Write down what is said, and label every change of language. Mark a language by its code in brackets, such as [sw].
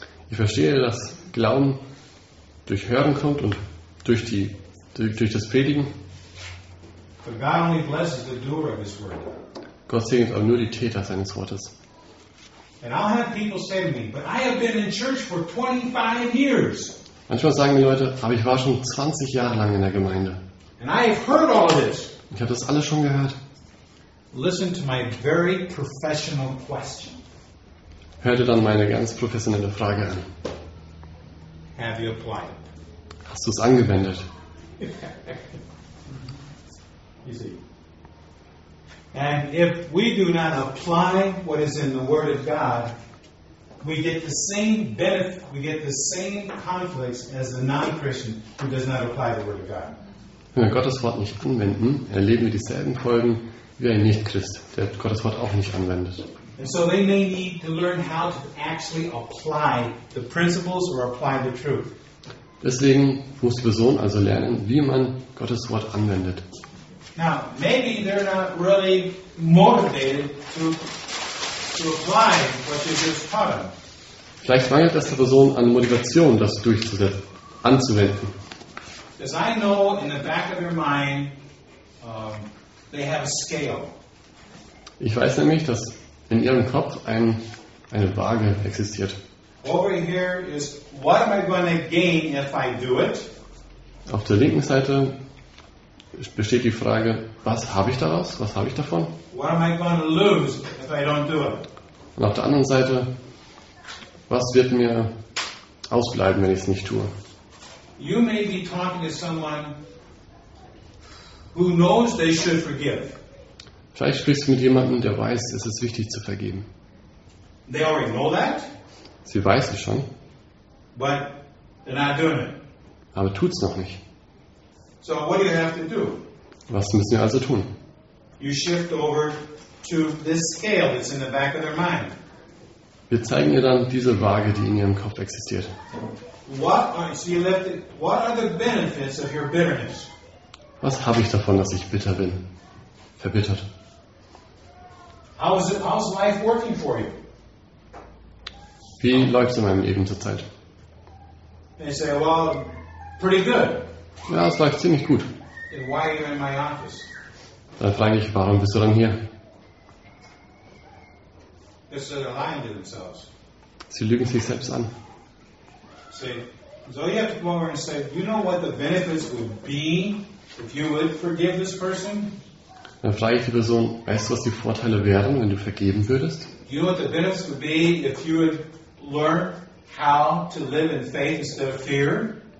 [de] Ich verstehe, dass Glauben durch Hören kommt und durch das Predigen. [en] God only blesses the doer of his word. [de] Gott segnet aber nur die Täter seines Wortes. [en] And I'll have people say to me, but I have been in church for 25 years. [de] Manchmal sagen die Leute, aber ich war schon 20 Jahre lang in der Gemeinde. [en] And I have heard all this. [de] Ich habe das alles schon gehört. [en] Listen to my very professional question. [de] Hör dir dann meine ganz professionelle Frage an. [en] Have you applied? [de] Hast du es angewendet? [en] You see. And if we do not apply what is in the Word of God, we get the same benefit, we get the same conflicts as the non-Christian who does not apply the Word of God. [de] Wenn wir Gottes Wort nicht anwenden, erleben wir dieselben Folgen wie ein Nicht-Christ, der Gottes Wort auch nicht anwendet. [en] And so they may need to learn how to actually apply the principles or apply the truth. [de] Deswegen muss die Person also lernen, wie man Gottes Wort anwendet. [en] Now, maybe they're not really motivated to apply what they just taught them. [de] Vielleicht mangelt es der Person an Motivation, das durchzusetzen, anzuwenden. [en] As I know, in the back of their mind, they have a scale. [de] Ich weiß nämlich, dass in ihrem Kopf eine Waage existiert. [en] Over here is, what am I going to gain if I do it? [de] Auf der linken Seite besteht die Frage, was habe ich daraus? Was habe ich davon? [en] What am I going to lose if I don't do it? [de] Und auf der anderen Seite, was wird mir ausbleiben, wenn ich es nicht tue? [en] You may be talking to someone who knows they should forgive. [de] Vielleicht sprichst du mit jemandem, der weiß, es ist wichtig zu vergeben. [en] They already know that. [de] Sie weiß es schon. [en] But they're not doing it. [de] Aber tut es noch nicht. [en] So what do you have to do? [de] Was müssen wir also tun? [en] You shift over to this scale that's in the back of their mind. [de] Wir zeigen ihr dann diese Waage, die in ihrem Kopf existiert. [en] What are the benefits of your bitterness? [de] Was habe ich davon, dass ich bitter bin? Verbittert. [en] How's life working for you? [de] Wie läuft es in meinem Leben zurzeit? [en] They say, well, pretty good. [de] Ja, es läuft ziemlich gut. [en] Then why are you in my office? [de] Dann frage ich, warum bist du dann hier? [en] They said they're lying to themselves. [de] Sie lügen sich selbst an. [en] See, so you have to go over and say, you know what the benefits would be if you would forgive this person? [de] Dann frage ich die Person, weißt du, was die Vorteile wären, wenn du vergeben würdest? [en] Do you know what the benefits would be if you would learn how to live in faith instead of fear?